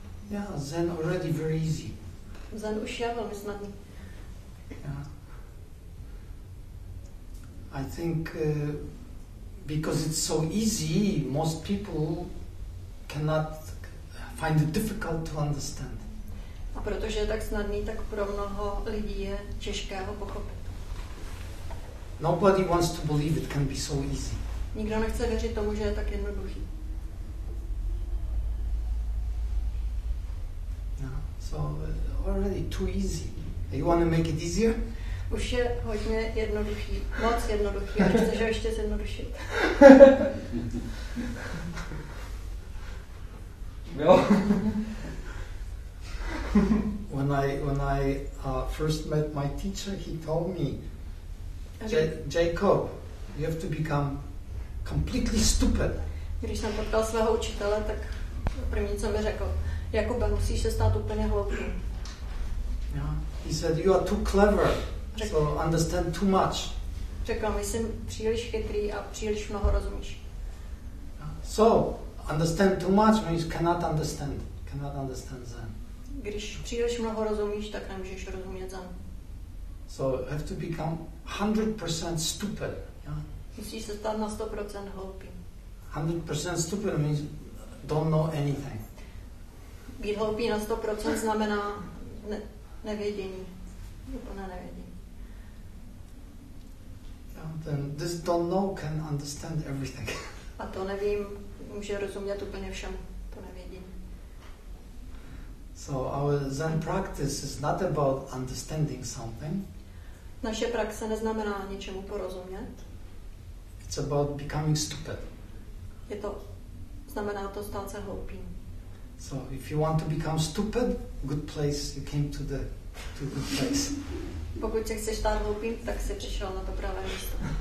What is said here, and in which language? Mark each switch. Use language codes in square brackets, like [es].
[en] Yeah, Zen already very easy. [cs] Zen už je velmi snadný. [en] Yeah. I think because it's so easy, most people cannot find it difficult to understand. [cs] A protože je tak snadný, tak pro mnoho lidí je těžké ho pochopit. [en] Nobody wants to believe it can be so easy. [cs] Nikdo nechce věřit tomu, že je tak jednoduchý. [en] No, so already too easy. You want to make it easier? [cs] Už je hodně jednoduchý, moc jednoduchý, a chceš ho ještě zjednodušit. Jo. [en] When I first met my teacher, he told me, Jacob, you have to become completely stupid. [cs] Když jsem potkal svého učitele, tak první, co mi řekl, Jakube, musíš se stát úplně hloupý. [en] Yeah. He said, you are too clever. So understand too much. [cs] Řekl mi, jsem příliš chytrý a příliš mnoho rozumíš. [en] So understand too much means cannot understand Zen. [cs] Když příliš mnoho rozumíš, tak nemůžeš rozumět Zen. [en] So have to become 100% stupid. Yeah? [cs] Musíš se stát na 100% hloupý. [en] 100% stupid means don't know anything. [cs] Být hloupý na 100% znamená nevědění. Úplné nevědění. [en] Then this don't know can understand everything. [cs] A to nevím, může rozumět úplně všem, to nevědím. [en] So our Zen practice is not about understanding something. [cs] Naše praxe neznamená něčemu porozumět. [en] It's about becoming stupid. [cs] Je to, znamená to stát se hloupým. [en] So if you want to become stupid, good place, you came to the good place. [cs] Pokud se chceš stát hloupým, tak jsi přišel na to pravé místo.